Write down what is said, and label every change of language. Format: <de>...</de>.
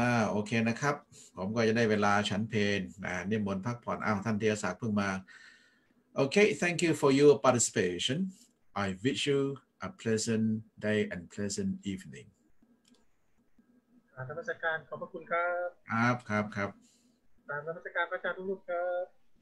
<th>โอเคนะครับผมก็จะได้เวลาฉันเพลนะนิมนต์พักผ่อนท่านเทียสักเพิ่งมา</th> <en>Okay, thank you for your participation. I wish you a pleasant day and pleasant evening.</en> <th>ขอบพระคุณครับ ครับ ขอบพระคุณครับอาจารย์ทุกท่านครับ</th>